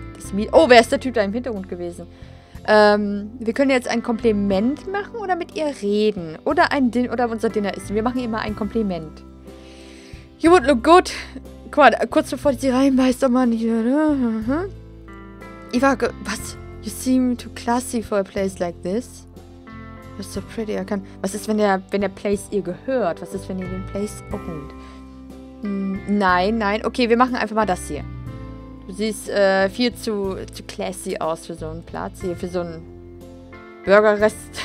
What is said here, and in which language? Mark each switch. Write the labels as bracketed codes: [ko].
[de] Das oh, wer ist der Typ da im Hintergrund gewesen? Wir können jetzt ein Kompliment machen oder mit ihr reden. Oder ein oder unser Dinner essen. Wir machen immer ein Kompliment. [en] You would look good. [de] Guck mal, kurz bevor sie reinbeißt, doch mal hier. Eva, was? [en] You seem too classy for a place like this. You're so pretty, I can... [de] Was ist, wenn der Place ihr gehört? Was ist, wenn ihr den Place owned? Nein, nein. Okay, wir machen einfach mal das hier. Du siehst viel zu classy aus für so einen Platz hier, für so einen Burgerrest.